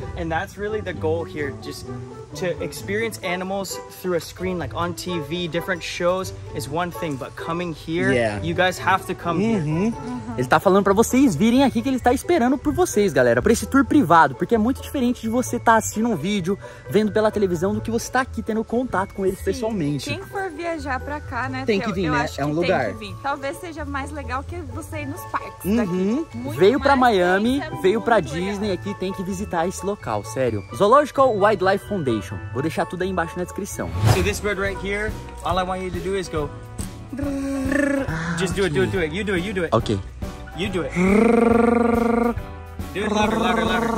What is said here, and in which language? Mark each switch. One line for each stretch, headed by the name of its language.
English: And that's really the goal here, just to experience animals through a screen, like on TV, different shows, is one thing, but coming here, you guys have to come here.
Portuguese: Ele tá falando pra vocês virem aqui, que ele tá esperando por vocês, galera, pra esse tour privado, porque é muito diferente de você tá assistindo um vídeo, vendo pela televisão, do que você tá aqui tendo contato com eles pessoalmente. Quem for viajar pra cá, né, tem que vir, né? É um lugar. Talvez seja mais legal que você ir nos parques. Veio pra Miami, veio pra Disney aqui, tem que visitar esse local, sério. Zoological Wildlife Foundation. Vou deixar tudo aí embaixo na descrição.
English: So this bird right here, all I want you to do is go. Just do it. You do it. Okay. You do it. Do it louder.